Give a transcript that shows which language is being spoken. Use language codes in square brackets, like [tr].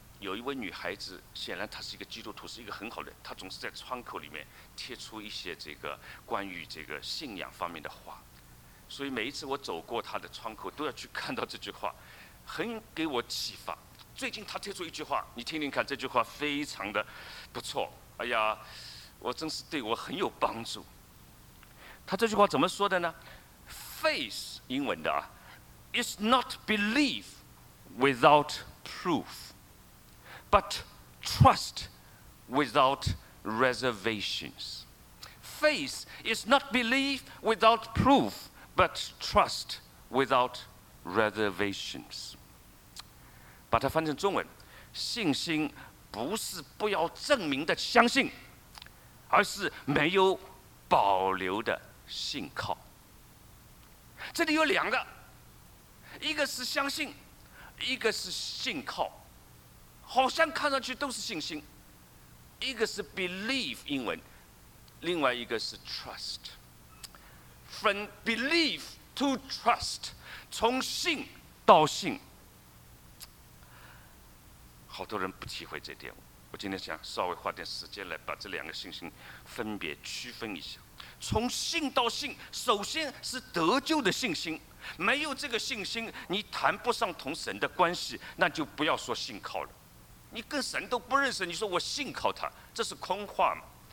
[zh] 有一位女孩子，显然她是一个基督徒，是一个很好的，她总是在窗口里面贴出一些这个关于这个信仰方面的话，所以每一次我走过她的窗口都要去看到这句话，很给我启发。最近她贴出一句话，你听听看，这句话非常的不错，哎呀，我真是对我很有帮助。她这句话怎么说的呢？ [en] Faith [zh] 英文的啊， [en] is not belief without proof. But trust without reservations. Faith is not belief without proof, but trust without reservations. [zh] 把它翻成中文，信心不是不要证明的相信，而是没有保留的信靠。这里有两个，一个是相信，一个是信靠。好像看上去都是信心，一个是 believe 英文，另外一个是 trust。 [en] From belief to trust， [zh] 从信到信。好多人不体会这点，我今天想稍微花点时间来把这两个信心分别区分一下。从信到信，首先是得救的信心，没有这个信心，你谈不上同神的关系，那就不要说信靠了，你跟神都不认识，你说我信靠他，这是空话嘛。